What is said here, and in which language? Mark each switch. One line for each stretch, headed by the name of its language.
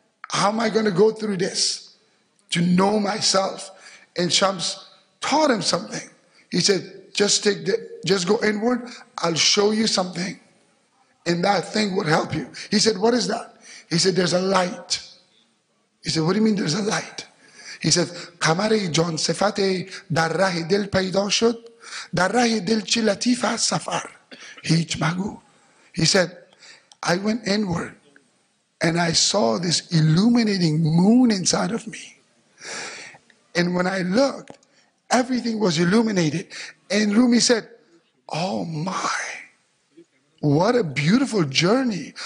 English: How am I going to go through this to know myself? And Shams taught him something. He said, just go inward, I'll show you something and that thing will help you. He said, what is that? He said, there's a light. He said, what do you mean there's a light?
Persian: He said, قمری جان صفت در راه دل پیدا شد در راه دل چه لطیف است سفر هیچ مگو.
English: He said, I went inward and I saw this illuminating moon inside of me. And when I looked, everything was illuminated. And Rumi said, oh my, what a beautiful journey.